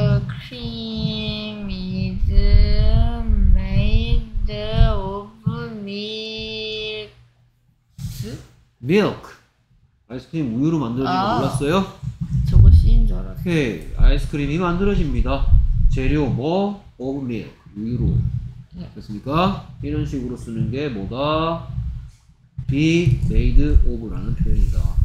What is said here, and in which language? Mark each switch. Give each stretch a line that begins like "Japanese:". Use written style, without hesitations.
English: 아이스크림 is made of milk. Milk.
Korean: 아이스크림 우유로 만들어진 거 몰랐어요? 저거 C인 줄 알았어요. 오케이. 아이스크림이 만들어집니다. 재료 뭐?
English: Of milk.
Korean: 우유로. 됐습니까? 네. 이런 식으로 쓰는 게 뭐다? Be made of라는 표현이다.